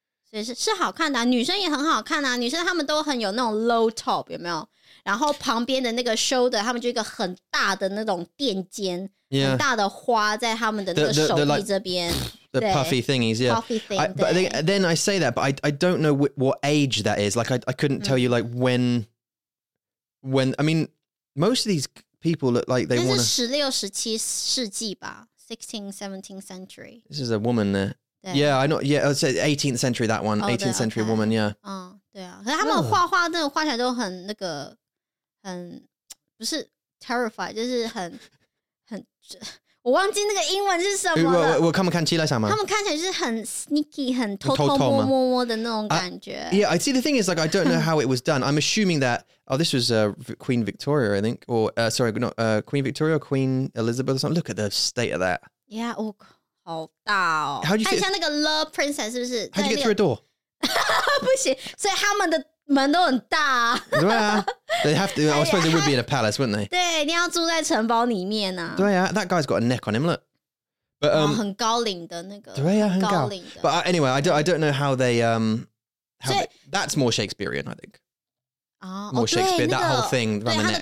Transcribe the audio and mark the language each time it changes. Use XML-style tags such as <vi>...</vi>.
<zh>所以是好看的啊，女生也很好看啊，女生他们都很有那种 low top, 有没有？然后旁边的那个 shoulder, 他们就一个很大的那种垫肩、</zh> <en>yeah.</en> <zh>很大的花在他们的那个手臂这边。</zh> <en>The puffy thingies, yeah. Puffy thing, but then I say that, but I don't know what age that is. Like, I couldn't tell you, like, when, I mean, most of these people look like they want to... 16, 17th century. This is a woman there. Yeah, I know. Yeah, I'd say 18th century, that one. 18th century woman, yeah.</en> <zh>对啊，可是他们画画那个画起来都很那个，很，不是 terrified, 就是很，很... 我忘记那个英文是什么了。我看不看起来什么？他们看起来就是很 sneaky, 很偷偷摸摸摸的那种感觉。</zh> <en>Yeah, I see. The thing is, like, I don't know how it was done. I'm assuming that, oh, this was Queen Victoria, I think, or sorry, not Queen Victoria, Queen Elizabeth or something. Look at the state of that. Yeah, oh,</en> <zh>好大哦。</zh> <en>How do you</en> <zh>fit? 像那个 Love Princess 是不是？</zh> <en>How do you get through a door?</en> <zh>不行，所以他们的门都很大。对啊。</zh> <en>They have to, I suppose they would be in a palace, wouldn't they?</en> <zh>对，你要住在城堡里面啊。对啊,</zh> <en>that guy's got a neck on him, look. But,</en> <zh>很高龄的那个。对啊, 很高龄的。</zh> <en>But anyway, I don't know how they, that's more Shakespearean, I think. More Shakespearean, that whole thing around the neck.</en>